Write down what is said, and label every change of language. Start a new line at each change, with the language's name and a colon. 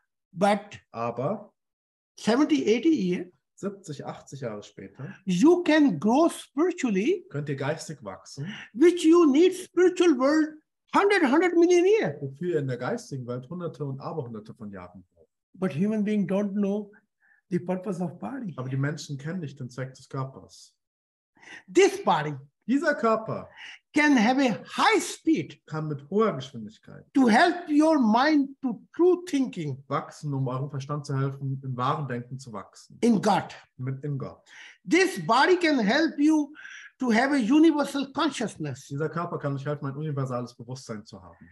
English: But
German: aber
English: 70-80
German: Jahre später,
English: you can grow spiritually,
German: könnt ihr geistig wachsen,
English: which you need spiritual world 100 million years.
German: Wofür ihr in der geistigen Welt hunderte und aberhunderte von Jahren braucht.
English: But human being don't know the purpose of body.
German: Aber die Menschen kennen nicht den Zweck des Körpers.
English: This body,
German: dieser Körper,
English: can have a high speed,
German: kann mit hoher Geschwindigkeit,
English: to help your mind to true thinking,
German: wachsen, um eurem Verstand zu helfen, im wahren Denken zu wachsen.
English: In God,
German: mit in Gott.
English: This body can help you to have a universal consciousness.
German: Dieser Körper kann euch helfen, ein universales Bewusstsein zu haben.